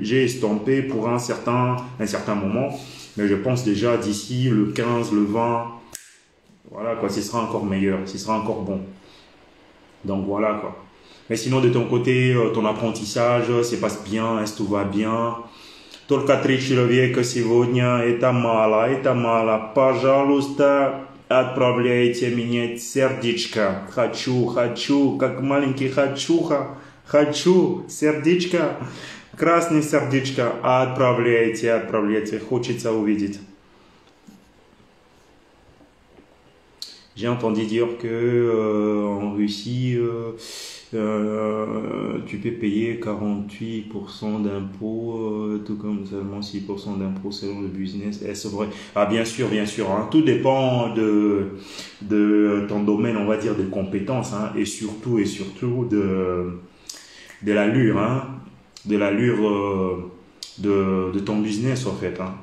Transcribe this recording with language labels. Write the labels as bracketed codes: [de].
[fr] J'ai estompé pour un certain moment, mais je pense déjà d'ici le 15, le 20, voilà, quoi, ce sera encore meilleur, ce sera encore bon. Donc, voilà, quoi. Mais sinon, de ton côté, ton apprentissage, se passe bien, est-ce que tout va bien? [ru] Только три человека сегодня, это мало. Пожалуйста, отправляйте мне сердечко. Хочу, как маленький хочуха. Хочу, сердечко, красное сердечко. Отправляйте, хочется увидеть. [fr] J'ai entendu dire que en Russie, Tu peux payer 48% d'impôts, tout comme seulement 6% d'impôts selon le business. Est-ce vrai? Ah, bien sûr, hein. Tout dépend de ton domaine, on va dire, de compétences, hein, et surtout de l'allure, hein, de l'allure de ton business, en fait, hein.